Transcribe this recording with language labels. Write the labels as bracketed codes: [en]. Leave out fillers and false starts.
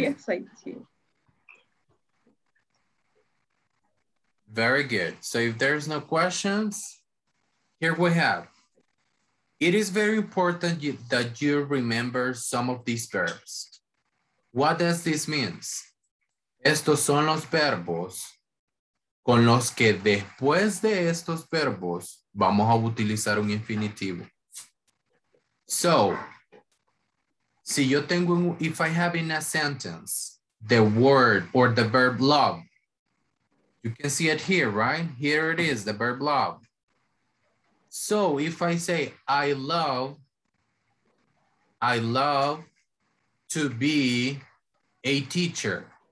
[en] Yes, I do. Very good. So if there's no questions, here we have. It is very important that you remember some of these verbs. What does this mean? [es] Estos son los verbos con los que después de estos verbos vamos a utilizar un infinitivo. [en] So, [es] si yo tengo, [en] if I have in a sentence, the word or the verb love, you can see it here, right? Here it is, the verb love. So if I say, I love to be a teacher.